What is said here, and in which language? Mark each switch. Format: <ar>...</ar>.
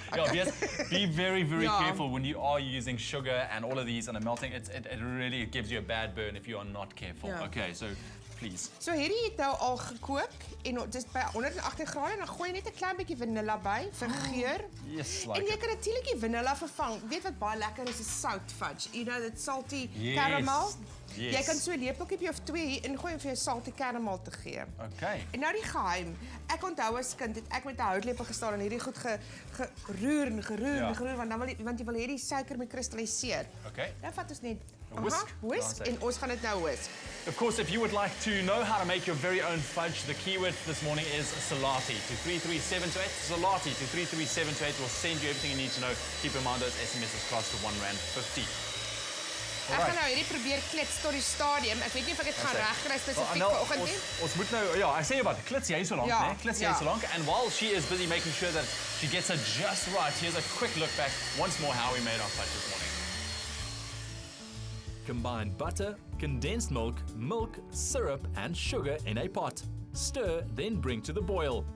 <en>Ja, wees be very very careful when you are using sugar and all of these and a melting it really gives you a bad burn if you are not careful. Ja. Okay, so please.</en> <af>So hierdie het nou al gekook en dis by 118 grade en dan gooi jy net 'n klein bietjie vanilla by vir geur.</af> <en>Yes, like</en> <af>en jy kan natuurlik die vanilla vervang. Weet wat baie lekker is, is sout fudge.</af> <en>You know that salty caramel. Yes.</en> <af>Jy kan so 'n lepelkiepie of 2 hier ingooi om vir jou salty caramel te gee.</af> <en>Okay.</en> <af>En nou die geheim. Ek onthou as kind het ek met 'n houtlepel gestaan en hierdie goed geroer en geroer en geroer want dan wil jy, want jy wil hierdie suiker moet kristalliseer.</af> <en>Okay.</en> <af>Nou vat ons net</af> <en>whisk</en> <af>en ons gaan dit nou whisk.</af> <en>Of course, if you would like to know how to make your very own fudge, the keyword this morning is Selati to 33728. Selati to 33728 will send you everything you need to know. Keep in mind those SMSs cost R1.50.</en> <af>Ek gaan nou hierdie probeer klits tot die stadium. Ek weet nie of ek dit gaan regkry spesifiek vanoggend nie. Ons moet nou ek sê wat, klits jy so lank, né? Klits jy so lank</af> <en>and while she is busy making sure that she gets it just right, here's a quick look back once more how we made our fudge this morning. Combine butter, condensed milk, milk, syrup and sugar in a pot. Stir, then bring to the boil.</en>